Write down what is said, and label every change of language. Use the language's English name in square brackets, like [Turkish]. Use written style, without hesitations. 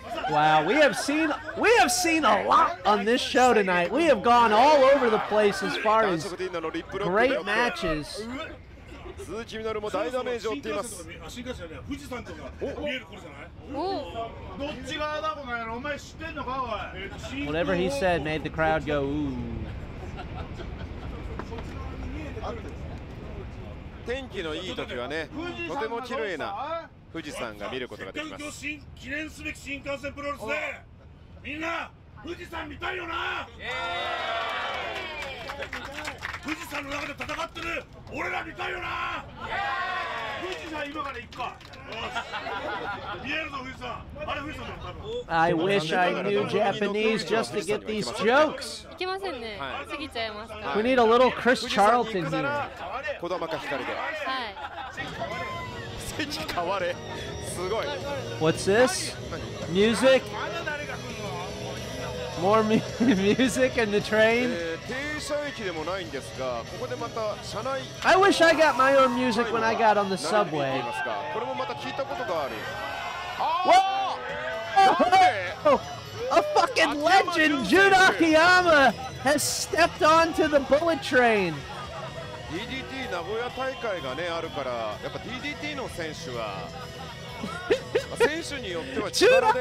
[English] Wow, we have seen a lot on this show tonight. We have gone all over the place as far as great matches. [Japanese] 鈴木みのるも大ダメージを負っています。新幹線ね、富士山とか見えるころじゃない。どっち側だこの野郎、お前知ってんのかおい。 [English] Whatever he said made the crowd go ooh。 [Japanese] 天気のいい時はね、とても綺麗な富士山が見ることができます。今日記念すべき新幹線プロレスで、みんな富士山見たいよな。イエーイ。富士山の中で戦ってる俺ら見たいよな。富士山今から行くか。見えるぞ富士山。あれ富士山だったの。 [English] I wish I knew Japanese just to get these jokes。 [Japanese] 行けませんね。過ぎちゃいますか。 [English] We need a little Chris Charlton here。 [Japanese] 小玉か光で。はい。席変われ。すごい。 [English] What's this? Music? More music and the train. [Japanese] 停車駅でもないんですが、ここでまた車内。 [English] I wish I got my own music when I got on the subway. [Japanese] これもまた聞いたことがある。 [English] What? A fucking legend, Jun Akiyama, has stepped onto the bullet train. [Japanese] DDT 名古屋大会がねあるから、やっぱ DDT の選手は選手によっては力で。